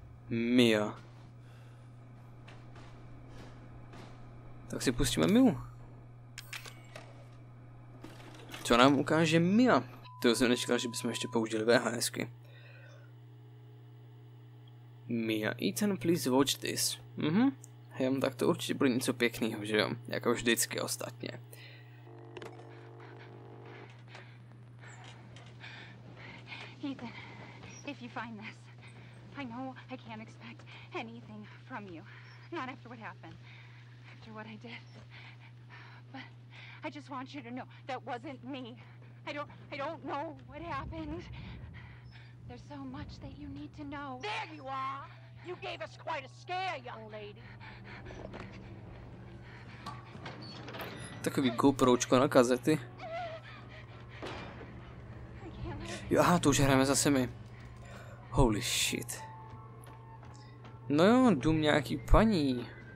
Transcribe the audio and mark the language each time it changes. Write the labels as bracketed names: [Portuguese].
[Czech] Mia. Tak si pustíme Miu. Co nám ukáže Mia? To jsem nečekal, že bychom ještě použili VHSky. [English] Mia, Ethan, please watch this. [Czech] Jem, tak to určitě bude něco pěkného, že jo? Jako vždycky ostatně. [English] Ethan. If you find this, I know I can't expect anything from you. Not after what happened. After what I did. But I just want you to know that wasn't me. I don't know what happened. There's so much that you need to know. There you are! You gave us quite a scare, young lady. [Czech] Takový GoPročko na kazety. Jo, aha, to už hrajeme zase my. [English] Holy shit. [Czech] No jo, dům nějaký paní.